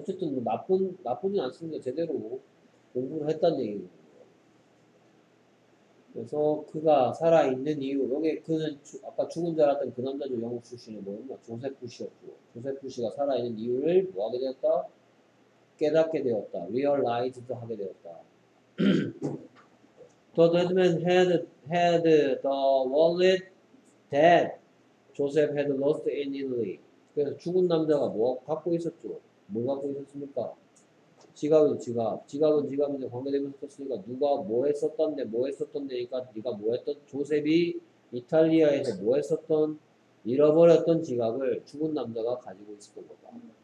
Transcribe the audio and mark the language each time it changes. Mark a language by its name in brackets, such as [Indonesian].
[Korean] 어쨌든 뭐 나쁘진 않습니다. 제대로 공부를 했다는 얘기예요. 그래서 그가 살아있는 이유. 여기 그는 아까 죽은 줄 알았던 그 남자도 영국 출신이 뭐였나? 조셉 부시였고. 조셉 부시가 살아있는 이유를 뭐하게 되었다? 깨닫게 되었다. Realized 하게 되었다. [English] The dead man had the wallet that Joseph had lost in Italy. [Korean] 그래서 죽은 남자가 뭐 갖고 있었죠? 뭐 갖고 있었습니까? 지갑은 지갑인데 관계되면서 썼으니까 누가 뭐 했었던데 뭐 했었던데니까 네가 뭐 했던 조셉이 이탈리아에서 뭐 했었던 잃어버렸던 지갑을 죽은 남자가 가지고 있었던 거다.